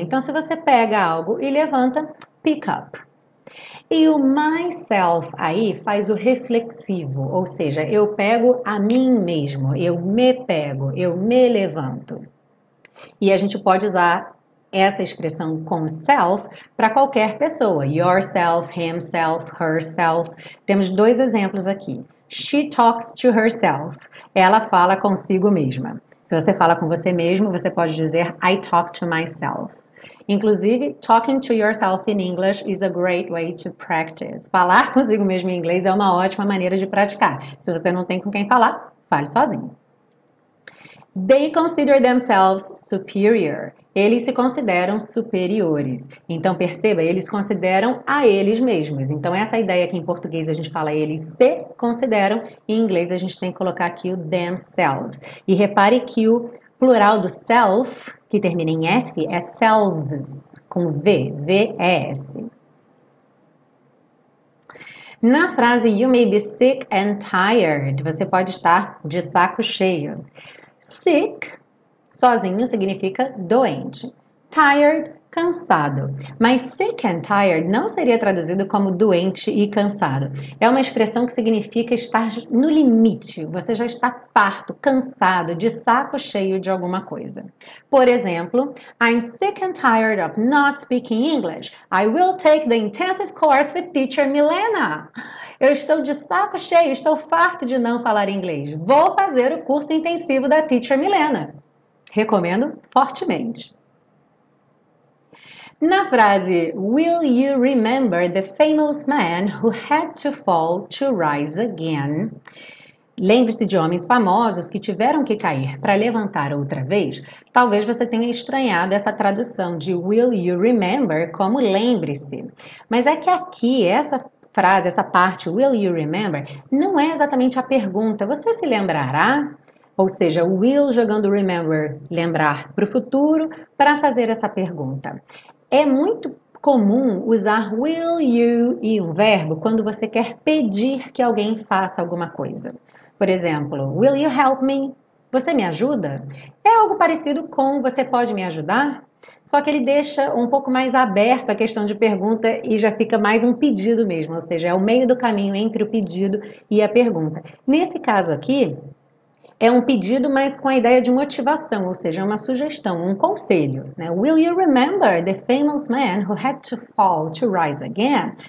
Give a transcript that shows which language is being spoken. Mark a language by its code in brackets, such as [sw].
[pt] Então, se você pega algo e levanta, pick up. E o myself aí faz o reflexivo, ou seja, eu pego a mim mesmo, eu me pego, eu me levanto. E a gente pode usar essa expressão com self para qualquer pessoa. [en] Yourself, himself, herself. [pt] Temos dois exemplos aqui. [en] She talks to herself. [pt] Ela fala consigo mesma. Se você fala com você mesmo, você pode dizer [en] I talk to myself. Inclusive, talking to yourself in English is a great way to practice. [pt] Falar consigo mesmo em inglês é uma ótima maneira de praticar. Se você não tem com quem falar, fale sozinho. [en] They consider themselves superior. [pt] Eles se consideram superiores. Então, perceba, eles consideram a eles mesmos. Então, essa ideia que em português a gente fala eles se consideram, em inglês a gente tem que colocar aqui o themselves. E repare que o plural do self, que termina em F, é selves, com V, V-E-S. Na frase [en] you may be sick and tired, [pt] você pode estar de saco cheio. Sick, sozinho, significa doente. Tired, cansado. Mas sick and tired não seria traduzido como doente e cansado. É uma expressão que significa estar no limite. Você já está farto, cansado, de saco cheio de alguma coisa. Por exemplo, [en] I'm sick and tired of not speaking English. I will take the intensive course with teacher Milena. [pt] Eu estou de saco cheio, estou farto de não falar inglês. Vou fazer o curso intensivo da teacher Milena. Recomendo fortemente. Na frase, [en] Will you remember the famous man who had to fall to rise again? [pt] Lembre-se de homens famosos que tiveram que cair para levantar outra vez? Talvez você tenha estranhado essa tradução de Will you remember como lembre-se. Mas é que aqui, essa frase, essa parte, Will you remember, não é exatamente a pergunta, você se lembrará? Ou seja, o will jogando remember, lembrar para o futuro, para fazer essa pergunta. É muito comum usar will you e um verbo quando você quer pedir que alguém faça alguma coisa. Por exemplo, [en] will you help me? [pt] Você me ajuda? É algo parecido com você pode me ajudar? Só que ele deixa um pouco mais aberto a questão de pergunta e já fica mais um pedido mesmo. Ou seja, é o meio do caminho entre o pedido e a pergunta. Nesse caso aqui, É um pedido, mas com a ideia de motivação, ou seja, uma sugestão, um conselho, né? [en] Will you remember the famous man who had to fall to rise again?